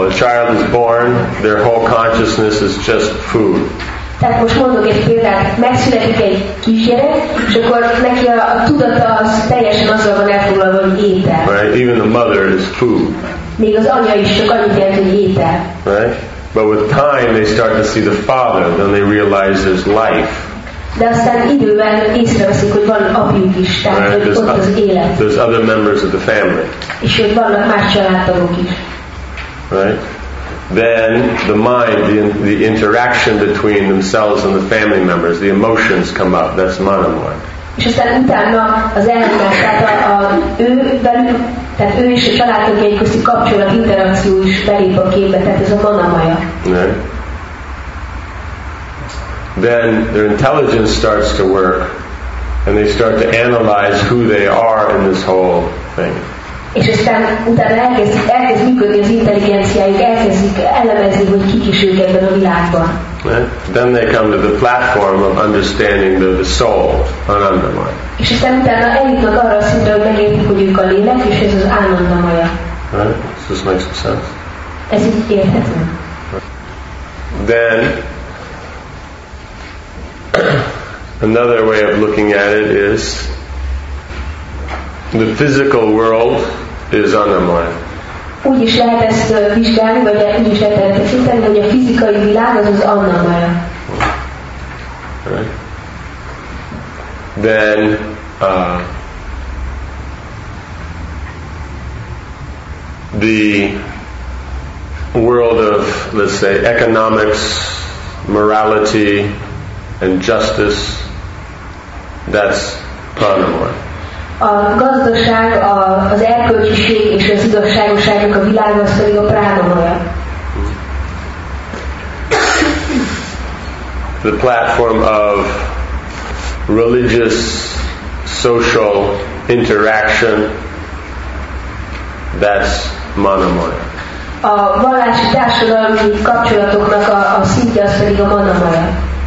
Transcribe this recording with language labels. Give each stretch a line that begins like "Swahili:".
English: A child is born, their whole consciousness is just food.
Hungarian: Tehát most mondok egy példát. Megszületik egy kisgyerek, és akkor neki a tudata az teljesen azzal van elfoglalva, hogy étel.
English: Right? Even the mother is food.
Hungarian: Még az anya is csak annyit jelent, hogy étel.
English: Right? But with time, they start to see the father. Then they realize there's life.
Hungarian: De aztán idővel észreveszik, hogy van apjuk is, tehát right? Hogy ott az élet.
English: There's other members of the family.
Hungarian: És hogy vannak más családtagok is.
English: Right? Then the mind, the interaction between themselves and the family members, the emotions come up. That's manamaya.
Hungarian: És aztán utána az elmondás, tehát a ő velük, tehát ő és a családtagjai közti kapcsolat, interakció is belép a képbe, tehát ez a manamaya.
English: Right. Then their intelligence starts to work, and they start to analyze who they are in this whole thing.
Hungarian: És aztán utána elkezd működni az intelligenciájuk, elkezdik elemezni, hogy kik is ők ebben a világban.
English: Then they come to the platform of understanding the soul, anandamaya.
Hungarian: És aztán utána eljutnak arra a szintre, hogy megértik, hogy ők a lélek, és ez az anandamaya.
English: Right? Does this make some sense?
Hungarian: Ez így érthető.
English: Then, another way of looking at it is the physical world is anamaya.
Hungarian: Úgy is lehet ezt vizsgálni, vagy úgy is lehet ezt tekinteni, hogy a fizikai világ az anamaya.
English: Then the world of, let's say, economics, morality, and justice, that's pranamaya.
Hungarian: A gazdaság, az erkölcsiség és az igazságoságnak a világa, az pedig a pranamaya.
English: The platform of religious social interaction, that's manamaya.
Hungarian: A vallási társadalmi kapcsolatoknak a szintje, az pedig a manamaya.